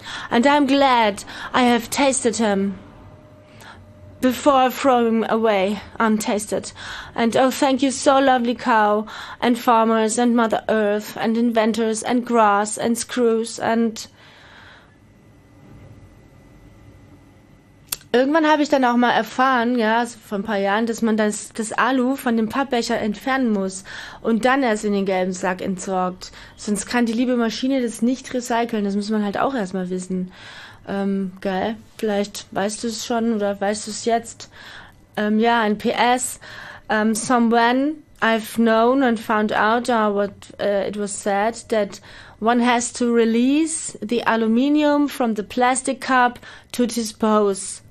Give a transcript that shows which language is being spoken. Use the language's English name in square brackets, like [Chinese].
[English] And I'm glad I have tasted him. Before throwing away untasted. And oh, thank you so lovely cow and farmers and Mother Earth and inventors and grass and screws and... [German] Irgendwann habe ich dann auch mal erfahren, ja, vor ein paar Jahren, dass man das Alu von dem Pappbecher entfernen muss und dann erst in den gelben Sack entsorgt. Sonst kann die liebe Maschine das nicht recyceln. Das muss man halt auch erstmal wissen. Geil. Vielleicht weißt du es schon oder weißt du es jetzt. Ja, ein PS. [English] Someone I've known and found out it was said that one has to release the aluminium from the plastic cup to dispose.